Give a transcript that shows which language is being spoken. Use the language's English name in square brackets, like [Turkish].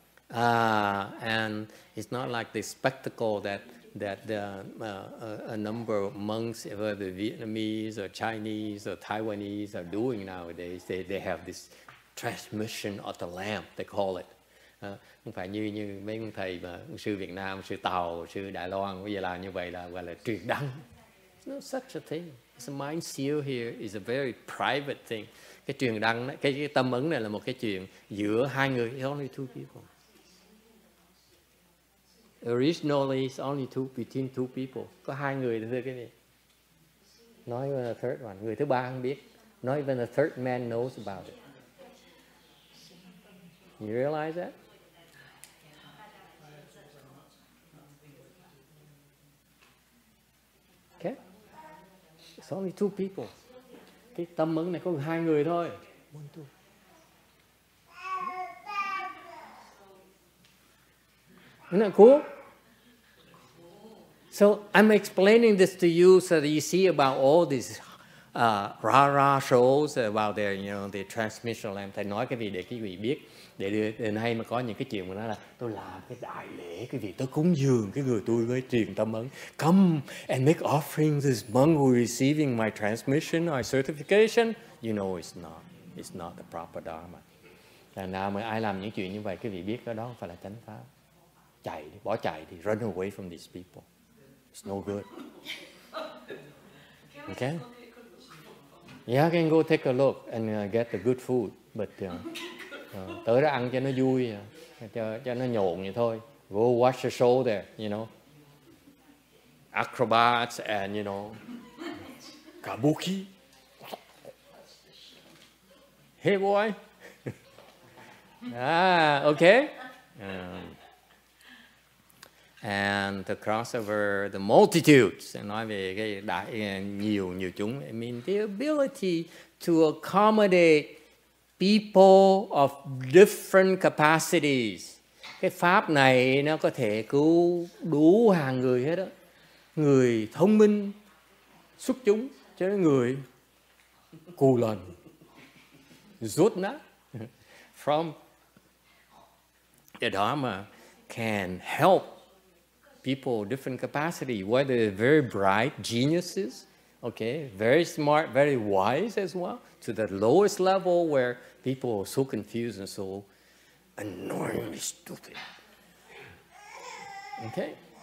[English] And it's not like the spectacle that a number of monks, whether the Vietnamese or Chinese or Taiwanese, are doing nowadays. They have this transmission of the lamp, they call it. [Vietnamese] Không phải như mấy ông thầy mà sư Việt Nam, sư Tàu, sư Đài Loan bây giờ làm như vậy là gọi là truyền đăng. [English] It's not such a thing. It's a mind seal here is a very private thing. [Vietnamese] Cái truyền đăng, cái tâm ấn này là một cái chuyện giữa hai người. [English] It's only two people. Originally, it's only two between two people. [Vietnamese] Có hai người thôi, cái gì? [English] Not even a third one. [Vietnamese] Người thứ ba không biết. [English] Not even a third man knows about it. You realize that? Okay. It's only two people. [Vietnamese] Cái tâm ấn này có hai người thôi. [English] One, two. Isn't that cool? So I'm explaining this to you so that you see about all these rah-rah shows about their, you know, the transmission lamp. [Vietnamese] Thầy nói cái gì để quý vị biết. Để đến nay mà có những cái chuyện mà nói là tôi làm cái đại lễ, cái gì tôi cúng dường cái người tôi với truyền tâm ấn. [English] Come and make offering this monk who receiving my transmission, my certification. You know it's not the proper Dharma. [Vietnamese] Thằng nào mà ai làm những chuyện như vậy, quý vị biết đó không phải là chánh pháp. Chạy đi, bỏ chạy đi, [English] run away from these people. It's no good. Okay? Yeah, I can go take a look and get the good food. But [Vietnamese] tới đó ăn cho nó vui, cho nó nhộn vậy thôi. [English] Go watch the show there, you know. Acrobats and, you know, kabuki. Hey, boy. okay? And the crossover, the multitudes, and [Vietnamese] nói về cái đại nhiều chúng. [English] I mean the ability to accommodate people of different capacities. [Vietnamese] Cái pháp này nó có thể cứu đủ hàng người hết đó. Người thông minh, xuất chúng, cho đến người cù lần, rốt nát. [English] From the Dharma can help people of different capacity, whether they're very bright geniuses, okay, very smart, very wise as well, to the lowest level where people are so confused and so annoyingly stupid. Okay?